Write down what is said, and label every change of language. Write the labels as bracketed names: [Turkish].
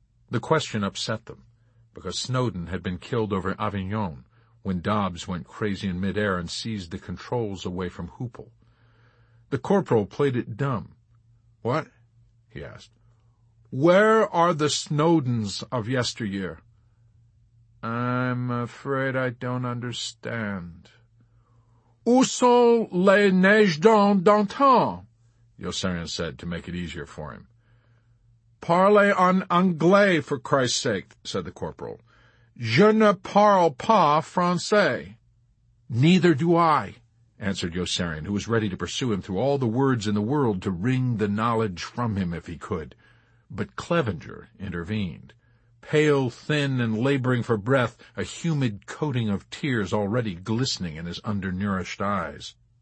[English] The question upset them, because Snowden had been killed over Avignon, when Dobbs went crazy in midair and seized the controls away from Hoopel. The corporal played it dumb. What? He asked. Where are the Snowdens of yesteryear? I'm afraid I don't understand. [French] Où sont les neiges d'antan? [English] Yossarian said to make it easier for him. [French] Parlez en anglais, [English] for Christ's sake, said the corporal. [French] Je ne parle pas français. [English] Neither do I, answered Yossarian, who was ready to pursue him through all the words in the world to wring the knowledge from him if he could. But Clevenger intervened. Pale, thin, and laboring for breath, a humid coating of tears already glistening in his undernourished eyes.